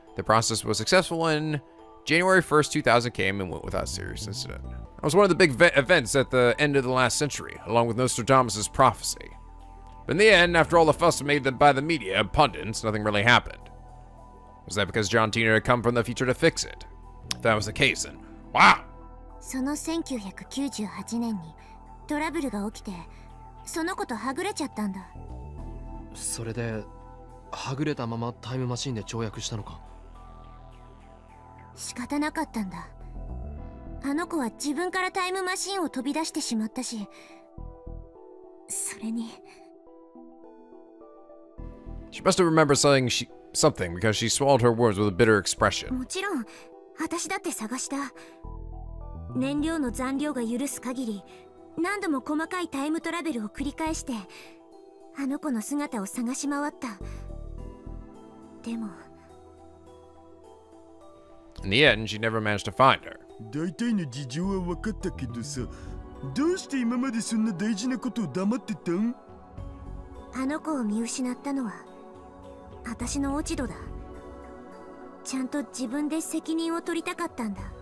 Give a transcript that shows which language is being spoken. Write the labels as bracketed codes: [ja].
[en] The process was successful and January 1st, 2000 came and went without serious incident. That was one of the big events at the end of the last century, along with Nostradamus' prophecy. But in the end, after all the fuss made by the media and pundits, nothing really happened. Was that because John Tina had come from the future to fix it? If that was the case, then wow! [ja] その 1998年にトラブルが起きて、その子とはぐれちゃったんだ。それで、はぐれたままタイムマシンで跳躍したのか。仕方なかったんだ。あの子は自分からタイムマシンを飛び出してしまったし、それに。 [en] She must have remembered something. Something because she swallowed her words with a bitter expression. [ja] もちろん、私だって探した。燃料の残量が許す限り、何度も細かいタイムトラベルを繰り返して、あの子の姿を探し回った。でも。 [en] In the end, she never managed to find her. [ja] 大体の事情は分かったけどさ、どうして今までそんな大事なことを黙ってたん？あの子を見失ったのは。私の落ち度だ。ちゃんと自分で責任を取りたかったんだ。